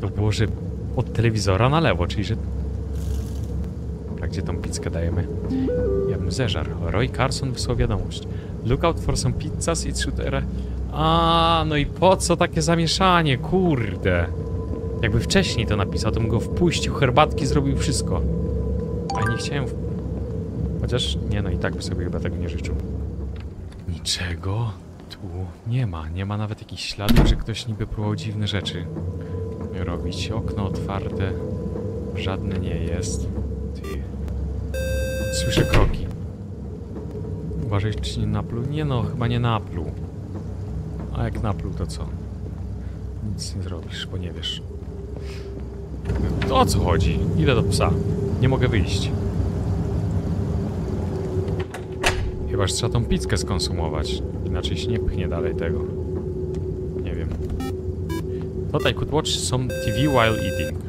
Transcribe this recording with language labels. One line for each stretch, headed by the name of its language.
Polish: Że od telewizora na lewo, czyli że... A gdzie tą pizzkę dajemy? Ja bym zeżar. Roy Carson wysłał wiadomość.
English: Look out for some pizzas i shooter.
Polish: A no i po co takie zamieszanie, kurde? Jakby wcześniej to napisał, to bym go wpuścił, herbatki zrobił, wszystko. A nie chciałem... Chociaż nie, no i tak by sobie chyba tego nie życzył. Niczego tu nie ma. Nie ma nawet jakichś śladów, że ktoś niby próbował dziwne rzeczy robić. Okno otwarte. Żadne nie jest. Ty. Słyszę kroki. Uważaj, czy nie napluł? Nie no, chyba nie napluł. A jak napluł, to co? Nic nie zrobisz, bo nie wiesz. To o co chodzi? Idę do psa. Nie mogę wyjść. Chyba, że trzeba tą pizzkę skonsumować. Inaczej się nie pchnie dalej tego. Nie wiem.
English: Thought I could watch some TV while eating.